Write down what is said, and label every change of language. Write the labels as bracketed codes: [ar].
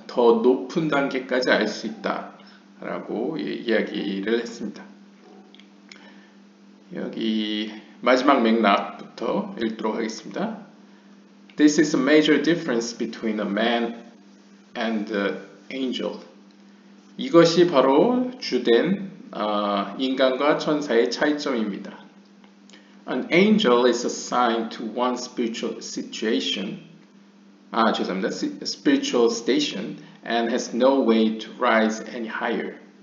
[ko] 더 높은 단계까지 알 수 있다. 라고 이야기를 했습니다. 여기 마지막 맥락부터 읽도록 하겠습니다. [en] This is a major difference between a man and an angel. [ko] 이것이 바로 주된 인간과 천사의 차이점입니다. [en] An angel is assigned to one spiritual situation. [ko] 죄송합니다. [en] Spiritual station and has no way to rise any higher.